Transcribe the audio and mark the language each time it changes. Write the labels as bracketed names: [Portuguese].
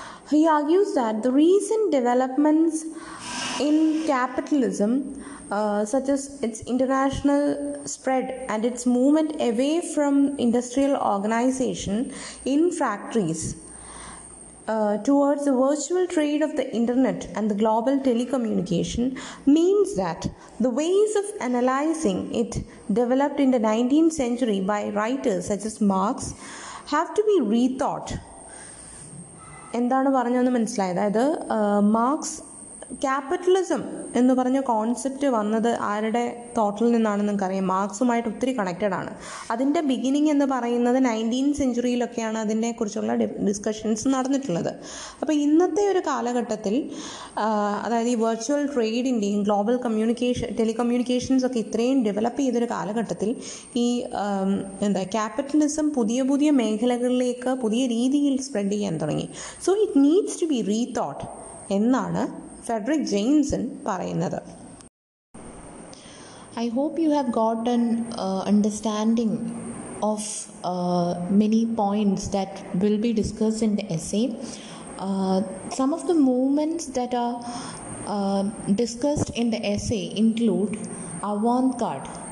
[English] He argues that the recent developments in capitalism, such as its international spread and its movement away from industrial organization in factories, towards the virtual trade of the internet and the global telecommunication, means that the ways of analyzing it developed in the 19th century by writers such as Marx have to be rethought. [Malayalam] എന്താണ് പറഞ്ഞതെന്ന് മനസ്സിലായത്? അതായത് marks capitalism എന്ന് പറഞ്ഞ concept വന്നത് ആരുടെ തോട്ടിൽ നിന്നാണെന്ന് നിങ്ങൾക്കറിയാം. മാർക്സുമായിട്ട് ഒത്തിരി കണക്റ്റഡ് ആണ്. അതിൻ്റെ ബിഗിനിങ് എന്ന് പറയുന്നത് 19th സെഞ്ചുറിയിലൊക്കെയാണ് അതിനെ കുറിച്ചുള്ള ഡിസ്കഷൻസ് നടന്നിട്ടുള്ളത്. അപ്പോൾ ഇന്നത്തെ ഒരു കാലഘട്ടത്തിൽ, അതായത് ഈ വെർച്വൽ ട്രേഡിൻ്റെയും ഗ്ലോബൽ ടെലികമ്മ്യൂണിക്കേഷൻസ് ഒക്കെ ഇത്രയും ഡെവലപ്പ് ചെയ്തൊരു കാലഘട്ടത്തിൽ ഈ എന്താ ക്യാപിറ്റലിസം പുതിയ പുതിയ മേഖലകളിലേക്ക് പുതിയ രീതിയിൽ സ്പ്രെഡ് ചെയ്യാൻ തുടങ്ങി. [English] so it needs to be rethought [Malayalam] എന്നാണ് Frederick Jameson പറയുന്നത്. [English] I hope you have got an understanding of many points that will be discussed in the essay. Some of the movements that are discussed in the essay include avant-garde.